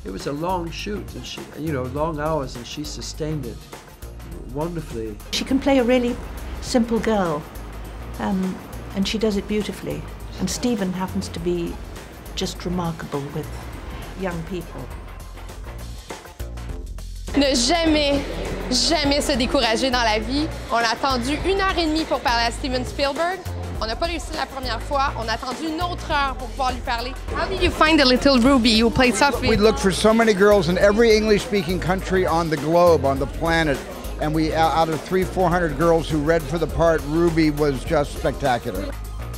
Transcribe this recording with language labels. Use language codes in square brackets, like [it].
[en] It was a long shoot, and she, you know, long hours, and she sustained it wonderfully. She can play a really simple girl, and she does it beautifully. And Steven happens to be just remarkable with young people. [fr] Ne jamais, jamais se décourager dans la vie. On a attendu une heure et demie pour parler à Steven Spielberg. On n'a pas réussi la première fois. On a attendu une autre heure pour pouvoir lui parler. [en] How did you find the little Ruby who played Sophie? We looked for so many girls in every English-speaking country on the globe, on the planet. And we, out of 300, 400 girls who read for the part, Ruby was just spectacular.